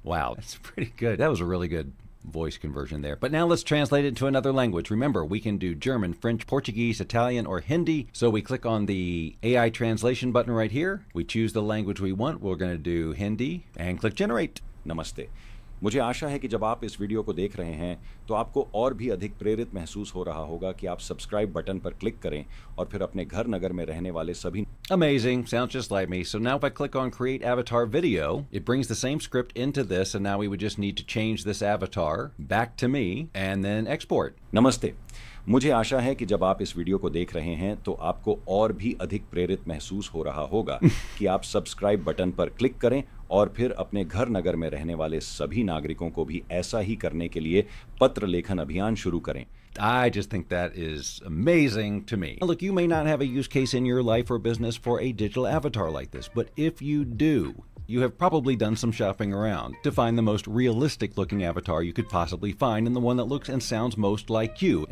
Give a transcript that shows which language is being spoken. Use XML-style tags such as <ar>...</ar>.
<en>Wow, that's pretty good. That was a really good voice conversion there. But now let's translate it to another language. Remember, we can do German, French, Portuguese, Italian, or Hindi. So we click on the AI translation button right here. We choose the language we want. We're going to do Hindi and click generate.</en> <hi>Namaste. मुझे आशा है कि जब आप इस video को देख रहे हैं तो आपको और भी अधिक प्रेरित महसूस हो रहा होगा कि आप सब्सक्राइब बटन पर क्लिक करें और फिर अपने घर नगर में रहने वाले सभी</hi> <en>Amazing. Sounds just like me. So now if I click on create avatar video, it brings the same script into this and now we would just need to change this avatar back to me and then export.</en> <hi>Namaste. मुझे आशा है कि जब आप इस video को देख रहे हैं तो आपको और भी अधिक प्रेरित महसूस हो रहा होगा कि आप सब्सक्राइब बटन पर क्लिक करें और फिर अपने घर नगर में रहने वाले सभी नागरिकों को भी ऐसा ही करने के लिए पत्र लेखन अभियान शुरू करें.</hi> <en>I just think that is amazing to me. Now look, you may not have a use case in your life or business for a digital avatar like this, but if you do, you have probably done some shopping around to find the most realistic looking avatar you could possibly find and the one that looks and sounds most like you.</en>